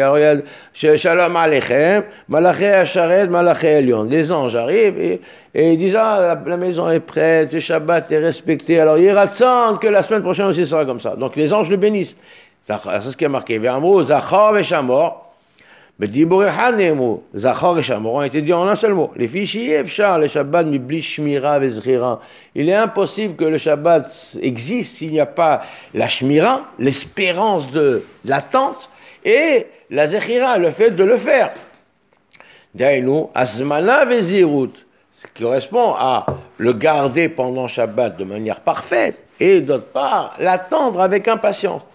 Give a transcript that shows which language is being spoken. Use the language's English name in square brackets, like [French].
[French] Alors il y a Shalom Alechem, Malachi Hasharet, Malachi Elyon. Les anges arrivent et ils disent, ah, la maison est prête, le Shabbat est respecté. Alors il attend que la semaine prochaine aussi sera comme ça. Donc les anges le bénissent. C'est ce qui est marqué. Vehamru, Zachor, Veshamor, [Hebrew] בדיבור אחד נאמרו, זכור שאמרו את הדיון השלמו, לפי שאי אפשר לשבת מבלי שמירה וזכירה. [French] Il est impossible que le Shabbat existe s'il n'y a pas la shmira, l'espérance de l'attente, et la zechira, le fait de le faire. D'ailleurs, azmana vezirut, ce qui correspond à le garder pendant Shabbat de manière parfaite, et d'autre part, l'attendre avec impatience.